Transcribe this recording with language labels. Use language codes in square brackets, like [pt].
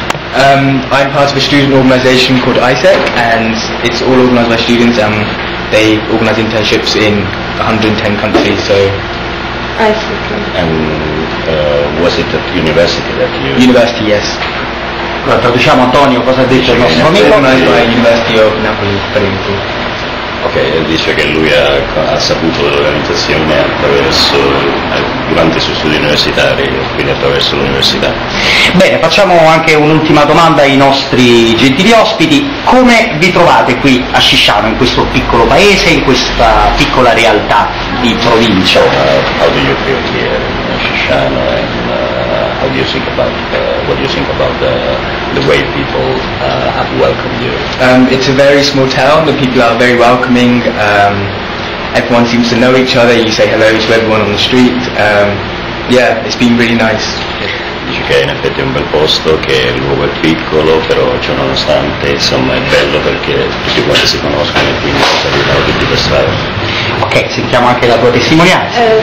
[en] I'm part of a student organization called ISEC, and it's all organized by students. They organize internships in 110 countries, so ISEC. And was it at university that you... University, yes. [it] Guarda, diciamo, Antonio, cosa ha detto il nostro amico? [en] Organized by University of Napoli, [it] per esempio. Ok, dice che lui ha saputo dell'organizzazione attraverso, durante i suoi studi universitari, quindi attraverso l'università. Bene, facciamo anche un'ultima domanda ai nostri gentili ospiti. Come vi trovate qui a Sciciano, in questo piccolo paese, in questa piccola realtà di provincia? [en] How do you feel here in Sciciano, and what do you think about the way people have welcomed you? It's a very small town, the people are very welcoming, everyone seems to know each other, you say hello to everyone on the street, it's been really nice. [it] Dici che in effetti è un bel posto, che il luogo è piccolo, però ciò nonostante, insomma, è bello perché tutti quanti si conoscono e quindi si arrivano tutti per strada. Ok, sentiamo anche la tua testimonianza.